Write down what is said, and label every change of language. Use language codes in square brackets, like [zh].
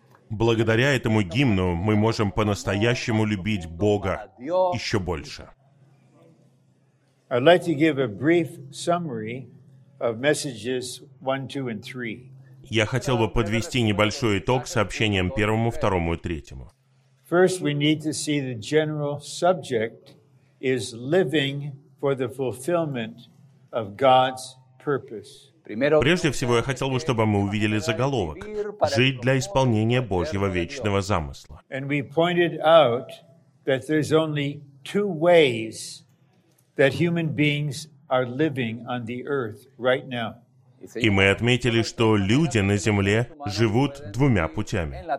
[ru] Благодаря этому гимну мы можем по-настоящему любить Бога еще больше. [en] I'd like to give a brief summary of messages 1, 2, and 3. [ru] Я хотел бы подвести небольшой итог сообщениям 1, 2 и 3. [en] First, we need to see the general subject is living for the fulfillment of God's purpose. [ru] Прежде всего, я хотел бы, чтобы мы увидели заголовок «Жить для исполнения Божьего вечного замысла». [en] And we pointed out that there's only two ways that human beings are living on the earth right now. [ru] И мы отметили, что люди на Земле живут двумя путями.